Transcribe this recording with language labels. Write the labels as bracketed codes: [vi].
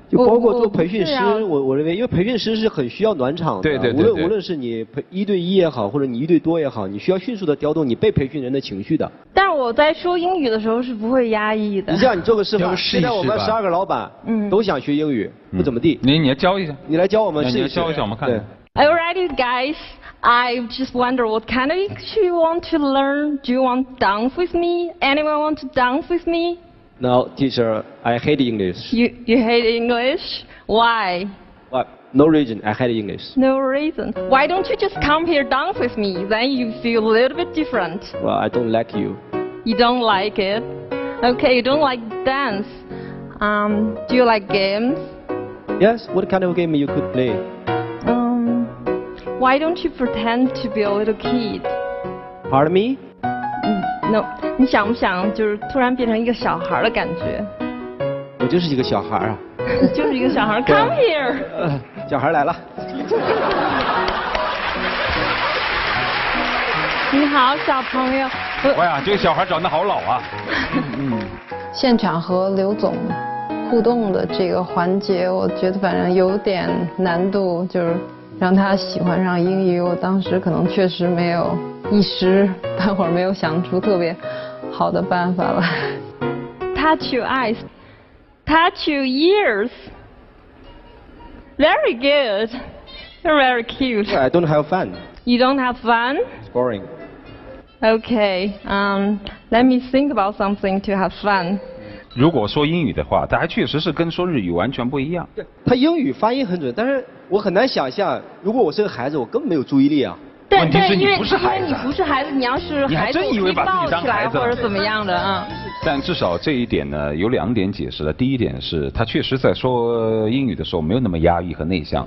[zh] 就包括做培训师，我认为，因为培训师是很需要暖场的，对。无论是你一对一也好，或者你一对多也好，你需要迅速的调动你被培训人的情绪的。但我在说英语的时候是不会压抑的。你这样，你做个示范，试试现在我们12个老板，都想学英语，不怎么地。你来教一下。你来教我们试一试。你来教一下，我们看。对。 [en] Are you ready, guys? I just wonder what kind of English you want to learn. Do you want to dance with me? Anyone want to dance with me? No, teacher, I hate English. You hate English? Why? What? No reason, I hate English. No reason. Why don't you just come here dance with me? Then you feel a little bit different. Well, I don't like you. You don't like it? Okay, you don't like dance. Do you like games? Yes, what kind of game you could play? Why don't you pretend to be a little kid? Pardon me? No, [zh] 你想不想就是突然变成一个小孩的感觉？我就是一个小孩啊。就是一个小孩。 [en] Come here. [zh] 小孩来了。你好，小朋友。哎呀，这个小孩长得好老啊。现场和刘总互动的这个环节，我觉得反正有点难度，就是。让他喜欢上英语，我当时可能确实没有一时半会儿没有想出特别好的办法来。 [en] Touch your eyes, touch your ears. Very good, you're very cute. I don't have fun. You don't have fun? It's boring. Okay, let me think about something to have fun. [zh] 如果说英语的话，它还确实是跟说日语完全不一样。对，他英语发音很准，但是我很难想象，如果我是个孩子，我根本没有注意力啊。问题是你不是孩子，因为你不是孩子，你要是孩子，你还真以为把自己当孩子或者怎么样的啊？但至少这一点呢，有两点解释的。第一点是他确实在说英语的时候没有那么压抑和内向。